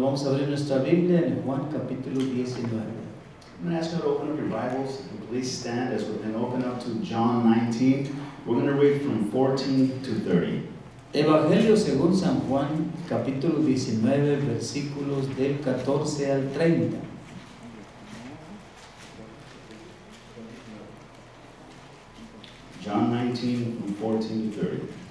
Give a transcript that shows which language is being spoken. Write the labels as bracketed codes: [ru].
[es] Vamos a abrir nuestra Biblia en Juan capítulo 19. [en] I'm going to ask you to open up your Bibles. Please stand as we're going to open up to John 19. We're going to read from 14 to 30. [es] Evangelio según San Juan, capítulo 19, versículos del 14 al 30. [en] John 19, from 14 to 30.